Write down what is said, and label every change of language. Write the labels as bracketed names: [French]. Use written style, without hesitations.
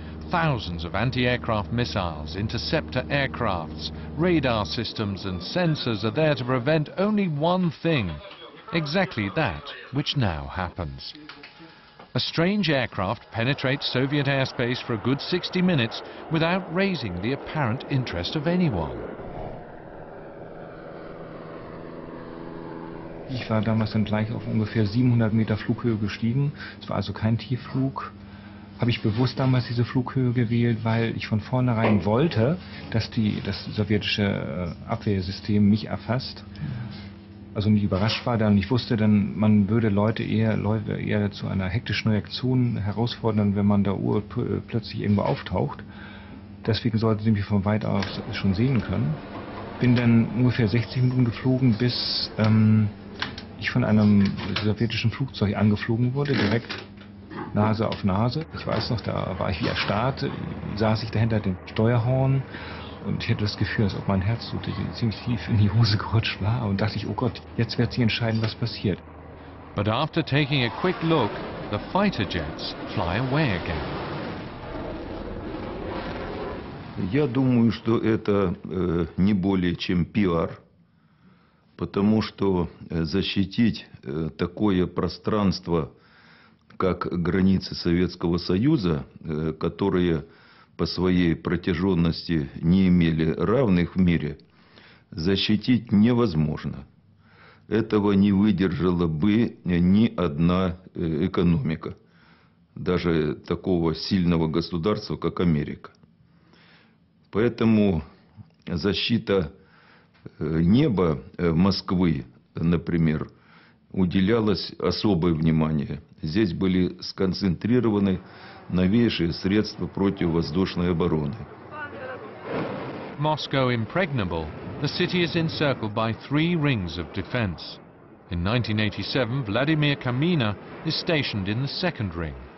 [English] Thousands of anti-aircraft missiles, interceptor aircrafts, radar systems and sensors are there to prevent only one thing, exactly that which now happens. A strange aircraft penetrates Soviet airspace for a good 60 minutes without raising the apparent interest of anyone. [German] Ich war damals dann gleich auf ungefähr 700 Meter Flughöhe gestiegen. Es war also kein Tiefflug. Habe ich bewusst damals diese Flughöhe gewählt, weil ich von vornherein wollte, dass das sowjetische Abwehrsystem mich erfasst. Also nicht überrascht war dann, ich wusste dann, man würde Leute eher zu einer hektischen Reaktion herausfordern, wenn man da plötzlich irgendwo auftaucht. Deswegen sollten sie mich von weit aus schon sehen können. Bin dann ungefähr 60 Minuten geflogen, bis ich von einem sowjetischen Flugzeug angeflogen wurde, direkt Nase auf Nase. Ich weiß noch, da war ich wie erstarrt, saß ich dahinter dem Steuerhorn und ich hatte das Gefühl, als ob mein Herz so ziemlich tief in die Hose gerutscht war und dachte ich, oh Gott, jetzt wird sie entscheiden, was passiert. [English] But after taking a quick look, the fighter jets fly away again. [Russian] Я думаю, что это не более чем пиар, потому что защитить такое пространство, как границы Советского Союза, которые по своей протяженности не имели равных в мире, защитить невозможно. Этого не выдержала бы ни одна экономика, даже такого сильного государства, как Америка. Поэтому защита неба Москвы, например, уделялась особое внимание. Здесь были сконцентрированы новейшие средства противовоздушной обороны. [English] Moscow impregnable, the city is encircled by three rings of defense. In 1987, Vladimir Kamina is stationed in the second ring.